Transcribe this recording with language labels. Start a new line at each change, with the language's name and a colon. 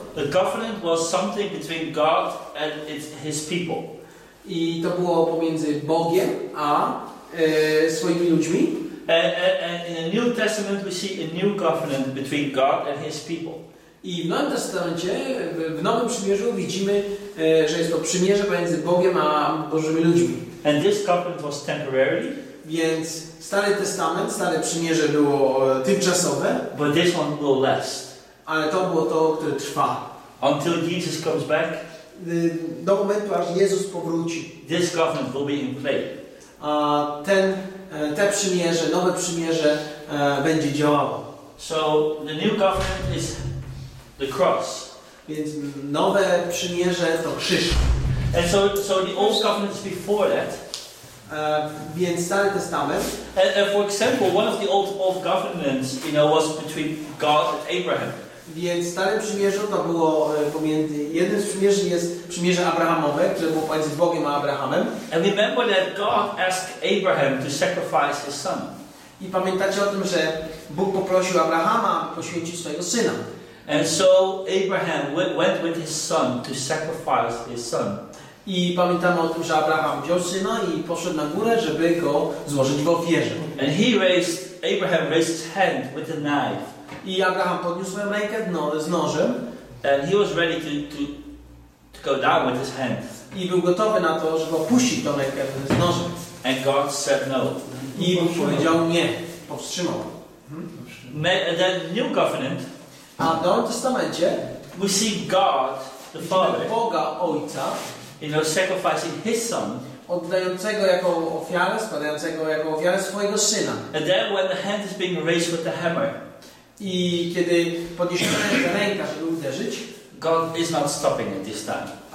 English: The covenant was something between God and his people.
Polish: I to było pomiędzy Bogiem a swoimi ludźmi.
English: And in the New Testament we see a new covenant between God and his people.
Polish: I w Nowym Testamencie, w Nowym Przymierzu widzimy, że jest to przymierze pomiędzy Bogiem a Bożymi ludźmi.
English: And this covenant was temporary.
Polish: Więc Stary Testament, Stare Przymierze było tymczasowe.
English: But this one will last.
Polish: Ale to było to, które trwa.
English: Until Jesus comes back.
Polish: Do momentu, aż Jezus powróci.
English: This covenant will be in play.
Polish: A te przymierze, nowe przymierze będzie działało.
English: So the new covenant is the cross.
Polish: Więc nowe przymierze to krzyż.
English: And so the old covenant is before that.
Polish: Więc Stary Testament.
English: And for example, one of the old covenants, you know, was between God and Abraham.
Polish: Więc Stare Przymierze to było pomiędzy. Jednym z przymierzy jest przymierze Abrahamowe, które było pomiędzy Bogiem a Abrahamem.
English: And remember that God asked Abraham to sacrifice his son.
Polish: I pamiętacie o tym, że Bóg poprosił Abrahama poświęcić swojego syna.
English: And so Abraham went with his son to sacrifice his son.
Polish: I pamiętamy o tym, że Abraham wziął syna i poszedł na górę, żeby go złożyć w ofierze.
English: And he raised, Abraham raised his hand with a knife.
Polish: I Abraham podniósł swoją rękę z nożem.
English: And he was ready to go down with his hand.
Polish: I był gotowy na to, żeby opuścić tą rękę z nożem.
English: And God said no.
Polish: I Bóg powiedział nie. Powstrzymał.
English: The new covenant.
Polish: A w Nowym Testamencie
English: we see God, the Father,
Polish: Boga Ojca,
English: you know, sacrificing his son,
Polish: oddającego jako ofiarę, składającego jako ofiarę swojego syna.
English: And then when the hand is being raised with the hammer,
Polish: i kiedy podniesiona jest ręka, żeby uderzyć,
English: God is not stopping at this time.